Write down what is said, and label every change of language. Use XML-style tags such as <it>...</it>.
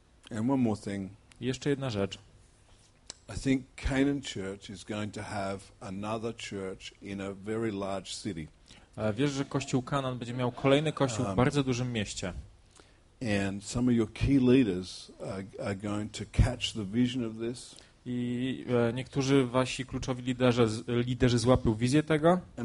<en>And one more thing.</en> <pl>I jeszcze jedna rzecz.</pl> <en>I think Canaan Church is going to have another church in a very large city.</en> <pl>Wiesz, że kościół Canaan będzie miał kolejny kościół w bardzo dużym mieście.</pl> <en>And some of your key leaders are going to catch the vision of this.</en> <pl>I niektórzy wasi kluczowi liderzy złapią wizję tego.</pl>